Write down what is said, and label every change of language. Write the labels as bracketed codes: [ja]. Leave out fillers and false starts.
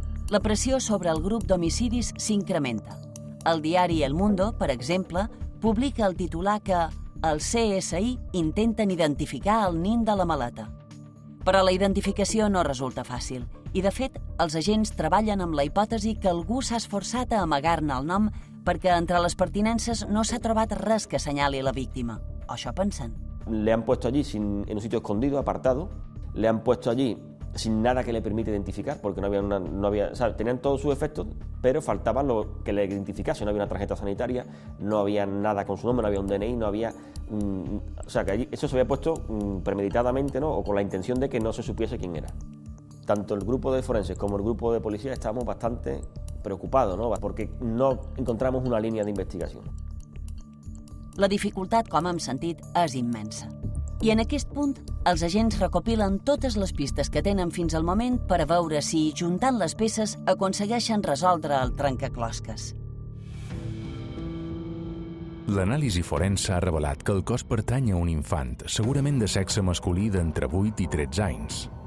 [ca] La pressió sobre el grup d'homicidis s'incrementa. El diari El Mundo, per exemple, publica el titular que el CSI intenten identificar el nin de la maleta. Però la identificació no resulta fàcil. I, de fet, els agents treballen amb la hipòtesi que algú s'ha esforçat a amagar-ne el nom perquè entre les pertinences no s'ha trobat res que assenyali la víctima. O això pensen. [es] Le han puesto allí en un sitio escondido, apartado. Le han puesto allí sin nada que le permita identificar, porque no había, o sea, tenían todos sus efectos, pero faltaba lo que le identificase. No había una tarjeta sanitaria, no había nada con su nombre, no había un DNI, no había... O sea, que allí eso se había puesto premeditadamente, ¿no? O con la intención de que no se supiese quién era. Tanto el grupo de forenses como el grupo de policía estábamos bastante preocupados, ¿no? Porque no encontramos una línea de investigación. [ca] La dificultat, com hem sentit, és immensa. I en aquest punt, els agents recopilen totes les pistes que tenen fins al moment per a veure si, juntant les peces, aconsegueixen resoldre el trencaclosques. L'anàlisi forense ha revelat que el cos pertany a un infant, segurament de sexe masculí d'entre 8 i 13 anys.